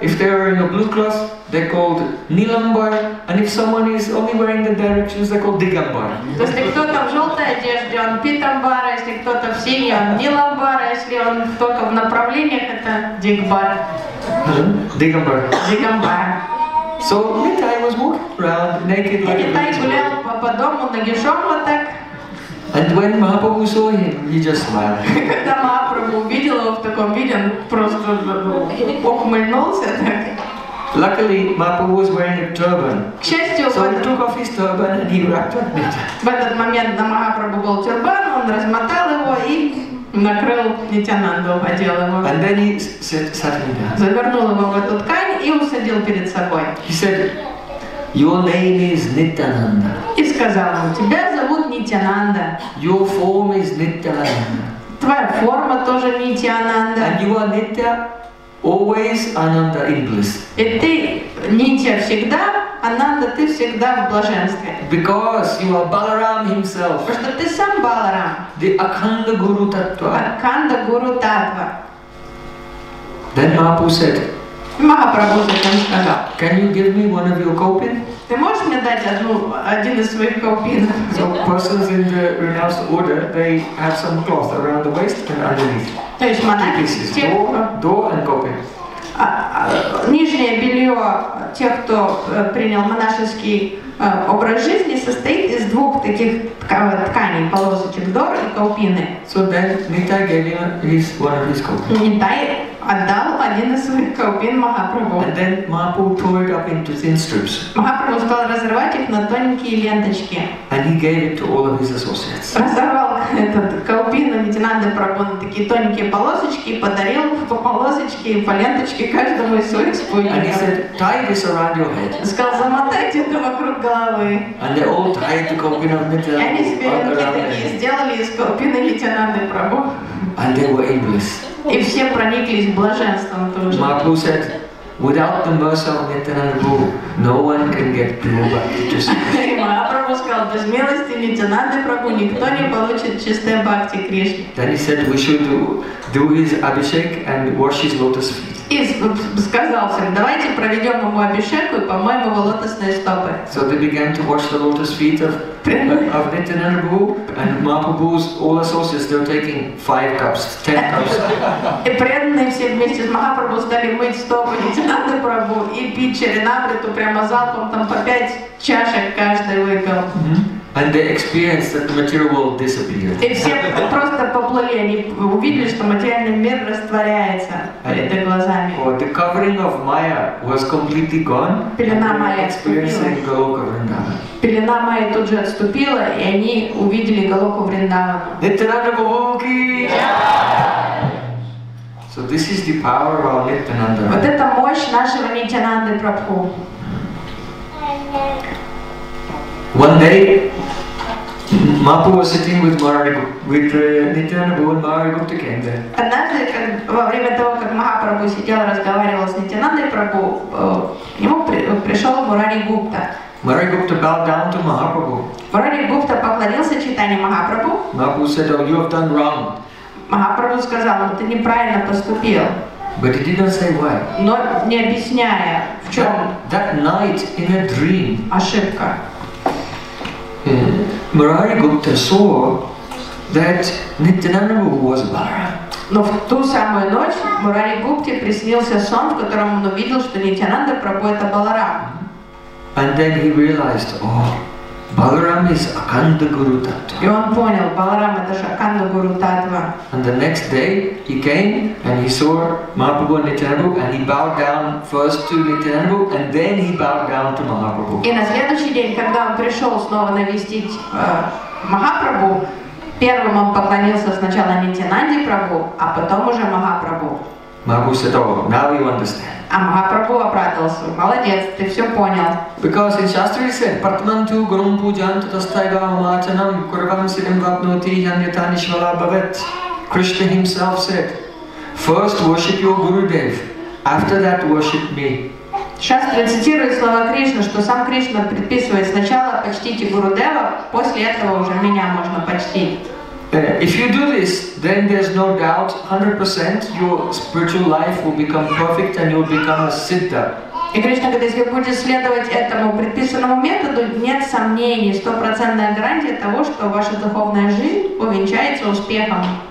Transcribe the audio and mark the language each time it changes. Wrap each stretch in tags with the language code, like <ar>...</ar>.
<en>If they are in a blue cloth, they're called nilambar. And if someone is only wearing the directions, they're called digambar.</en> <ru>То есть кто-то в желтой одежде, он питамбар, если кто-то в синей, он ниламбар, если он только в направлениях, это дигбар. Дигамбар. Дигамбар.</ru> <en>So Nitai was walking around naked.</en> <ru>И Nitai гулял по дому нагишом вот так.</ru> <en>And when Mahaprabhu saw him, he just smiled.</en> <ru>Когда Махапрабху увидел его в таком виде, он просто ухмыльнулся так.</ru> <en>Luckily, Mahaprabhu was wearing a turban.</en> <ru>К счастью,</ru> <en>so he took off his turban and he wrapped it.</en> <ru>В этот момент на Махапрабху был тюрбан, он размотал его и накрыл Нитянанду, одел его.</ru> <en>And then he sat him down.</en> <ru>Завернул его в эту ткань и усадил перед собой.</ru> <en>He said, "Your name is Nityananda."</en> <ru>сказал ему, тебя зовут Нитянанда.</ru> <en>Your form is Nityananda.</en> <ru>Твоя форма тоже Нитянанда.</ru> <en>And you are Nitya, always Ananda in bliss.</en> <ru>И ты Нитя всегда, Ананда, ты всегда в блаженстве.</ru> <en>Because you are Balaram himself.</en> <ru>Потому что ты сам Баларам.</ru> <en>The Akhanda Guru Tattva. Akhanda Guru Tattva. Then Mahaprabhu said.</en> <ru>Махапрабху затем сказал.</ru> <en>Can you give me one of your gopin?</en> <ru>Ты можешь мне дать один из своих гопинов?</ru> <en>So persons in the renounced order, they have some cloth around the waist and underneath.</en> <ru>То есть монахи.</ru> <en>Door and gopin.</en> <ru>Нижнее белье тех, кто принял монашеский образ жизни, состоит из двух таких тканей, полосочек, дор и гопины.</ru> <en>So then Nitai gave him one of his gopin.</en> <ru>Отдал один из своих каупин Махапрабху.</ru> <en>And then Mahaprabhu tore it up into thin strips.</en> <ru>Махапрабху стал разрывать их на тоненькие ленточки.</ru> <en>And he gave it to all of his associates.</en> <ru>Разорвал этот каупин на Нитянанда Прабху на такие тоненькие полосочки и подарил по полосочке и по ленточке каждому из своих спутников.</ru> <en>And he said, tie this around your head.</en> <ru>Сказал, замотайте это вокруг головы.</ru> <en>And they all tied the каупин of Nitya.</en> <ru>И они себе ленки сделали из каупина Нитянанды Прабху.</ru> <en>And they were in bliss.</en> <ru>И все прониклись блаженством тоже.</ru> <en>Mahaprabhu said, without the mercy of Nityananda Prabhu, no one can get pure bhakti to Krishna.</en> <ru>Mahaprabhu сказал, без милости Нитянанды Прабху никто не получит чистое бхакти Кришне.</ru> <en>Then he said, we should do his abhishek and wash his lotus feet.</en> <ru>И сказал всем, давайте проведем ему абхишеку и помоем его лотосные стопы.</ru> <en>So they began to wash the lotus feet of Nityananda Prabhu and Mahaprabhu's all associates, they were taking 5 cups, 10 cups.</en> <ru>И преданные все вместе с Махапрабху стали мыть стопы Нитянанды Прабху и пить чаринамриту прямо залпом, там по 5 чашек каждый выпил.</ru> <en>And they experienced that the material world disappeared.</en> <ru>И все просто поплыли, они увидели, что материальный мир растворяется перед их глазами.</ru> <en>Oh, the covering of Maya was completely gone.</en> <ru>Пелена Майи</ru> <en>experiencing</en> <ru>Голока Вриндавана. Пелена Майи тут же отступила, и они увидели Голоку Вриндавана. Нитянанда Прабху!</ru> <en>So this is the power of Нитянанда.</en> <ru>Вот это мощь нашего Нитянанды Прабху.</ru> <en>One day, Mahaprabhu was sitting with Maharaj, with Nityananda Prabhu, and Maharaj Gupta came there.</en> <ru>Однажды, во время того, как Махапрабху сидел, разговаривал с Нитянандой Прабху, к нему пришел Мурари Гупта.</ru> <en>Mahārāja Gupta bowed down to Mahaprabhu.</en> <ru>Mahārāja Gupta поклонился Чайтанья Махапрабху.</ru> <en>Mahaprabhu said, oh, you have done wrong.</en> <ru>Махапрабху сказал, ты неправильно поступил.</ru> <en>But he did not say why.</en> <ru>Но не объясняя, в чем.</ru> <en>That night in a dream.</en> <ru>Ошибка.</ru> <en>Mahārāja Gupta saw that Nityananda Prabhu was Balaram.</en> <ru>Но в ту самую ночь Мурари Гупте приснился сон, в котором он увидел, что Нитянанда Прабху это Баларам.</ru> <en>And then he realized, oh, Balaram is Akanda Guru Tattva.</en> <ru>И он понял, Баларам это же Акханда Гуру Таттва.</ru> <en>And the next day he came and he saw Mahaprabhu and Nityananda, and he bowed down first to Nityananda, and then he bowed down to Mahaprabhu.</en> <ru>И на следующий день, когда он пришел снова навестить Махапрабху, первым он поклонился сначала Нитянанде Прабху, а потом уже Махапрабху.</ru> <en>Mahaprabhu said, oh, now you understand.</en> <ru>А Махапрабху обрадовался. Молодец, ты все понял.</ru> <en>Because in Shastri said,</en> <sa>Partmantu Gurum Pujan Tatastaiva Machanam Kurvam Sidham Vapnoti Yanyatani Shvala Bhavet.</sa> <en>Krishna himself said, first worship your Gurudev, after that worship me.</en> <ru>Шастра цитирует слова Кришны, что сам Кришна предписывает, сначала почтите Гурудева, после этого уже меня можно почтить.</ru> <en>If you do this, then there's no doubt, 100%, your spiritual life will become perfect and you'll become a siddha.</en> <ru>И Кришна говорит, если будешь следовать этому предписанному методу, нет сомнений, 100% гарантия того, что ваша духовная жизнь увенчается успехом.</ru>